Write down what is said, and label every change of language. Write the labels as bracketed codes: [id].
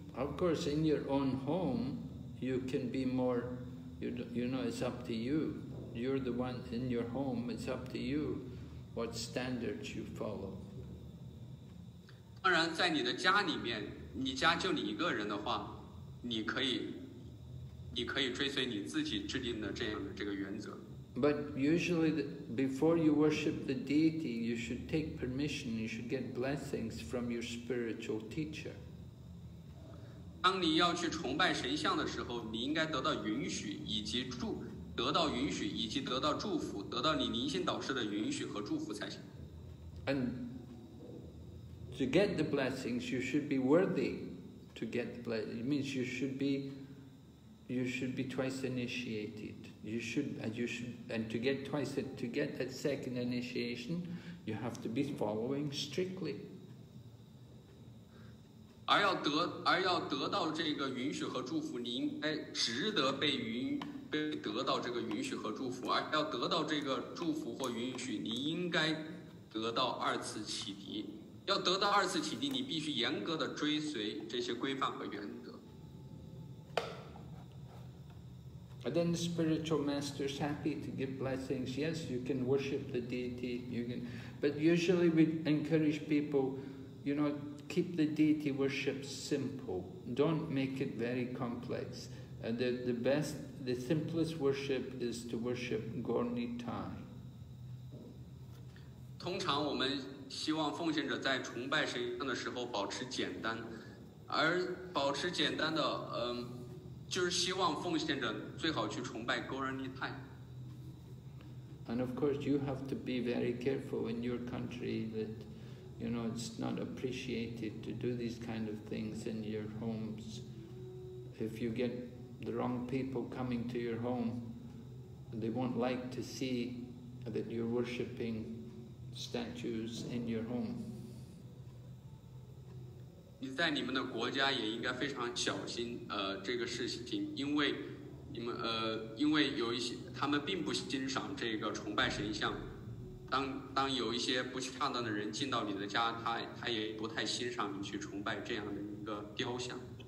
[en] Of course, in your own home, you can be more, you know, it's up to you. You're the one in your home, it's up to you what standards you follow. [zh] 当然在你的家里面，你家就你一个人的话，你可以追随你自己制定的这样的这个原则。 [en] But usually, before you worship the deity, you should take permission, you should get blessings from your spiritual teacher. [zh] 当你要去崇拜神像的时候，你应该得到允许以及得到祝福，得到你灵性导师的允许和祝福才行。 [en] And to get the blessings, you should be worthy to get the blessings. It means you should be twice initiated. To get that second initiation, you have to be following strictly. [zh] 而要得到这个允许和祝福，你应该值得被得到这个允许和祝福。而要得到这个祝福或允许，你应该得到二次启迪。要得到二次启迪，你必须严格的追随这些规范和原则。 [en] And then the spiritual master is happy to give blessings. Yes, you can worship the deity. But usually we encourage people, you know, keep the deity worship simple. Don't make it very complex. And the simplest worship is to worship Gaur Nitai. [zh] 通常我们希望奉献者在崇拜神像的时候保持简单，而保持简单的，就是希望奉献者最好去崇拜 Gaur Nitai。 [en] And of course you have to be very careful in your country that you know it's not appreciated to do these kind of things in your homes. If you get the wrong people coming to your home, they won't like to see that you're worshipping statues in your home. [zh] 你在你们的国家也应该非常小心，这个事情，因为你们，因为有一些他们并不欣赏这个崇拜神像，当有一些不恰当的人进到你的家，他也不太欣赏你去崇拜这样的一个雕像。